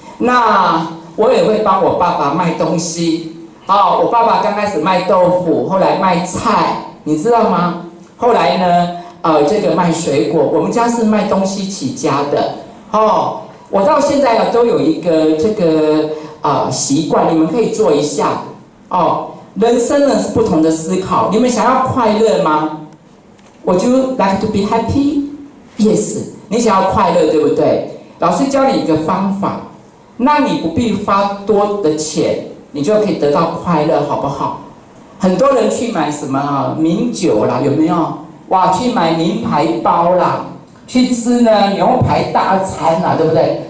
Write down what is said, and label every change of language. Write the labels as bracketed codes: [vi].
[zh] 那我也会帮我爸爸卖东西啊，我爸爸刚开始卖豆腐，后来卖菜，你知道吗？后来呢？这个卖水果，我们家是卖东西起家的，哦，我到现在啊都有一个这个习惯，你们可以做一下哦。人生呢是不同的思考，你们想要快乐吗？ [en] Would you like to be happy? [zh] Yes， 你想要快乐对不对？老师教你一个方法，那你不必花多的钱，你就可以得到快乐，好不好？很多人去买什么名酒啦，有没有？哇，去买名牌包啦，去吃呢牛排大餐啦，对不对？